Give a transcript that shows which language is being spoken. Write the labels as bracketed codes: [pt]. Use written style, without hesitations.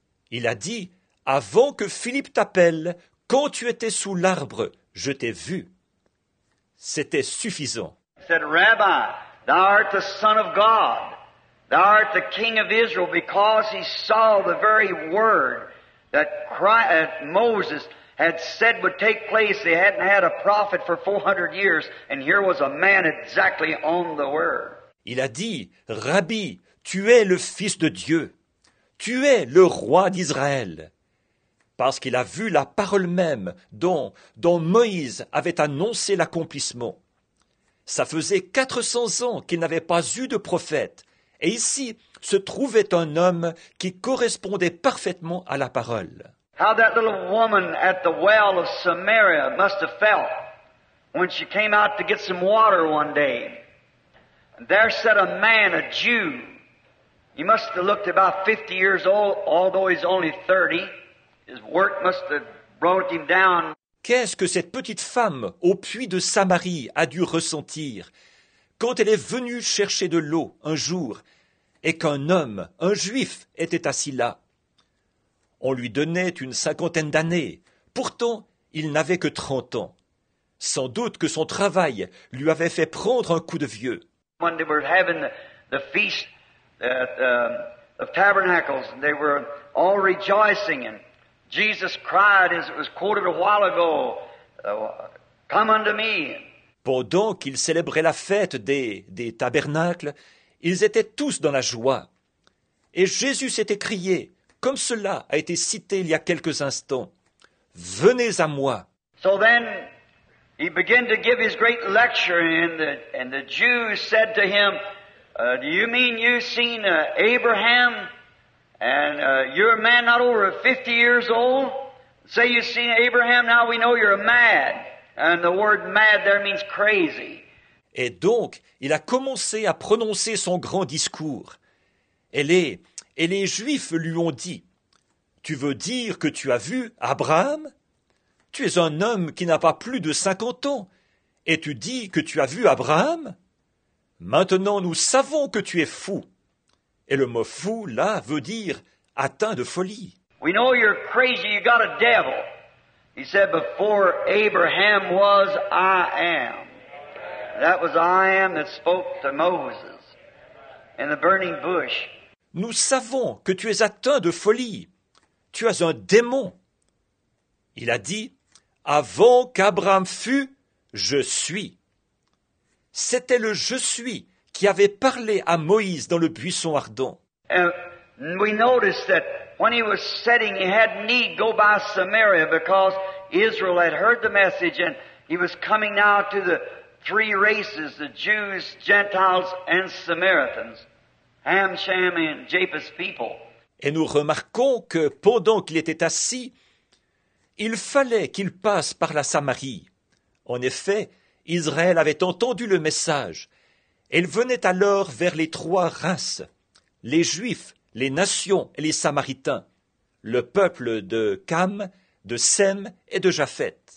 [fr] Il a dit, "Avant que Philippe t'appelle, quand tu étais sous l'arbre, je t'ai vu." C'était suffisant. [en] He said, "Rabbi, thou art the son of God. Thou art the king of Israel, because he saw the very word that Moses had said would take place. They hadn't had a prophet for 400 years, and here was a man exactly on the word." [fr] Il a dit, « Rabbi, tu es le Fils de Dieu. Tu es le roi d'Israël. » Parce qu'il a vu la parole même dont Moïse avait annoncé l'accomplissement. Ça faisait 400 ans qu'il n'avait pas eu de prophète, et ici se trouvait un homme qui correspondait parfaitement à la parole. [en] How that little woman at the well of Samaria must have felt when she came out to get some water one day. There sat a man, a Jew. He must have looked about 50 years old, although he's only 30. His work must have brought him down. [fr] Qu'est-ce que cette petite femme au puits de Samarie a dû ressentir quand elle est venue chercher de l'eau un jour et qu'un homme, un juif, était assis là? On lui donnait une cinquantaine d'années, pourtant il n'avait que 30 ans. Sans doute que son travail lui avait fait prendre un coup de vieux. [en] When they were having the feast of tabernacles, and they were all rejoicing, and Jesus cried, as it was quoted a while ago, "Come unto me." [fr] Pendant qu'ils célébraient la fête des tabernacles, ils étaient tous dans la joie. Et Jésus s'est écrié, comme cela a été cité il y a quelques instants, « Venez à moi !» [en] So then, he began to give his great lecture, and the Jews said to him, "Do you mean you've seen Abraham, and you're a man not over 50 years old? Say you've seen Abraham, now we know you're mad." And the word "mad" there means crazy. [fr] Et donc, il a commencé à prononcer son grand discours. Et les Juifs lui ont dit, « Tu veux dire que tu as vu Abraham? Tu es un homme qui n'a pas plus de 50 ans, et tu dis que tu as vu Abraham? Maintenant, nous savons que tu es fou. » Et le mot « fou », là, veut dire « atteint de folie. » [en] We know you're crazy, you got a devil. He said, "Before Abraham was, I am." That was "I am" that spoke to Moses in the burning bush. [fr] Nous savons que tu es atteint de folie. Tu as un démon. Il a dit, avant qu'Abraham fût, je suis. C'était le je suis qui avait parlé à Moïse dans le buisson ardent. [en] And we noticed that when he was setting, he had need go by Samaria because Israel had heard the message and he was coming now to the three races, the Jews, Gentiles, and Samaritans, Ham, Shem, and Japheth's people. [fr] Et nous remarquons que pendant qu'il était assis, il fallait qu'il passe par la Samarie. En effet, Israël avait entendu le message. Elle venait alors vers les trois races, les Juifs, les Nations et les Samaritains, le peuple de Cam, de Sem et de Japhet.